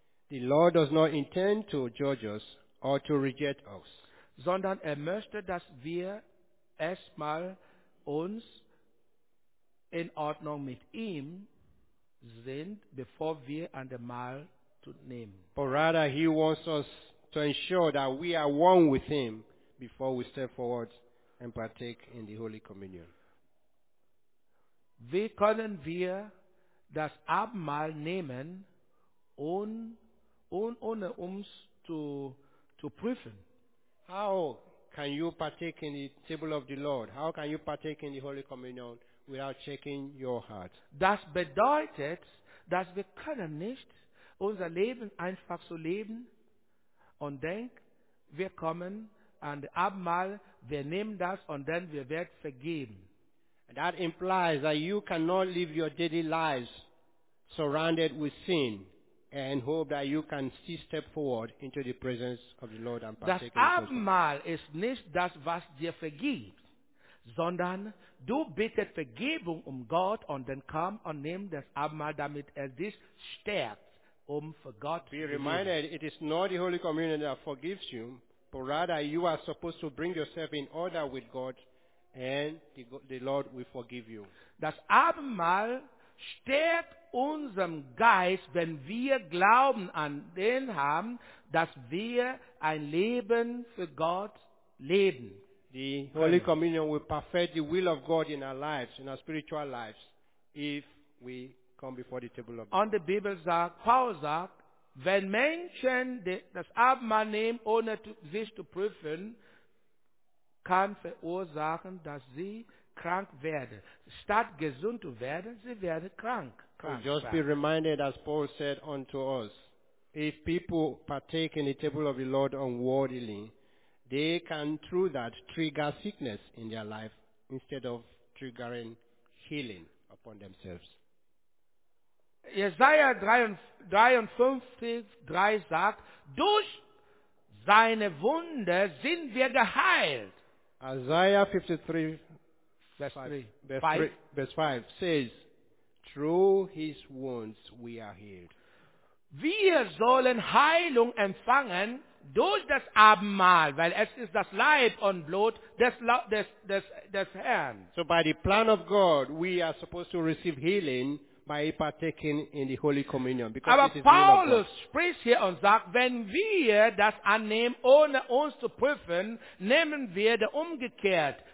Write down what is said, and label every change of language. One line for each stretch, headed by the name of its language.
English: The Lord does not intend to judge us or to reject us.
German: Sondern möchte, dass wir erstmal uns in Ordnung mit ihm sind, bevor wir an dem Mahl zu nehmen.
English: But rather he wants us to ensure that we are one with him before we step forward and partake in the Holy Communion.
German: Wie können wir das Abendmahl nehmen, ohne uns zu prüfen?
English: How can you partake in the table of the Lord? How can you partake in the Holy Communion without checking your heart?
German: Das bedeutet, dass wir können nicht unser Leben einfach so leben und denken, wir kommen an das Abendmahl, wir nehmen das und dann wir werden vergeben.
English: That implies that you cannot live your daily lives surrounded with sin and hope that you can still step forward into the presence of the Lord and partake in Him.
German: Das Abendmahl ist nicht das, was dir vergibt, sondern du bittest Vergebung Gott und dann komm und nimm das Abendmahl, damit dich stärkt, für Gott zu leben.
English: Be reminded, it is not the Holy Communion that forgives you, but rather you are supposed to bring yourself in order with God, and the Lord will forgive you.
German: Das Abendmahl stärkt unserem Geist, wenn wir Glauben an den haben, dass wir ein Leben für Gott leben.
English: The Holy Communion will perfect the will of God in our lives, in our spiritual lives, if we come before the table of God.
German: Und die Bibel sagt, Paul sagt, wenn Menschen das Abendmahl nehmen, ohne sich zu prüfen, kann verursachen, dass sie krank werden. Statt gesund zu werden, sie werden krank.
English: Be reminded, as Paul said unto us, if people partake in the table of the Lord unworthily, they can through that trigger sickness in their life instead of triggering healing upon themselves.
German: Jesaja 53:3 sagt, durch seine Wunde sind wir geheilt.
English: Isaiah 53, verse 5 says, through his wounds we are healed.
German: Wir sollen Heilung empfangen durch das Abendmahl, weil es ist das Leib und Blut des Herrn.
English: So by the plan of God, we are supposed to receive healing by partaking in the Holy Communion. Because
German: aber Paulus spricht hier und sagt, wenn wir das annehmen, ohne uns zu prüfen, nehmen wir der umgekehrt.